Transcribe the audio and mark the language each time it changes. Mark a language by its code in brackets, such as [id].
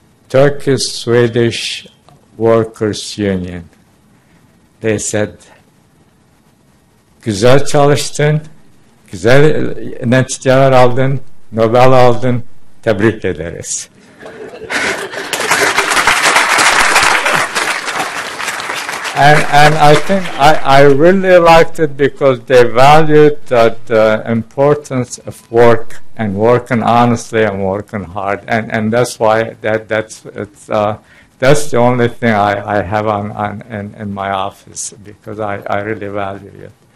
[en] Turkish Swedish Workers Union. They said, [tr] güzel çalıştın, güzel neticeler aldın, Nobel aldın, tebrik ederiz. [en] And I think I really liked it because they valued that the importance of work and working honestly and working hard, and that's why that's the only thing I have in my office, because I really value it.